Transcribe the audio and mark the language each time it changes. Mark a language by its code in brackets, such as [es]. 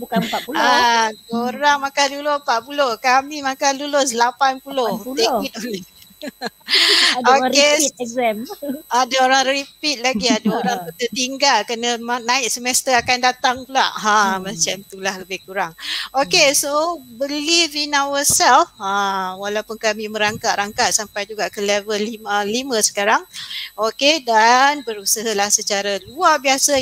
[ms] bukan 40. Korang makan lulus 40. Kami makan lulus 80. 80. Ada orang [en] repeat exam. [ms] Ada orang repeat lagi. Ada orang tertinggal. Kena naik semester akan datang pula. Macam itulah lebih kurang. [en] Okay, so believe in ourselves. [ms] Walaupun kami merangkak-rangkak sampai juga ke level 5 sekarang. Okay, dan berusahalah secara luar biasa.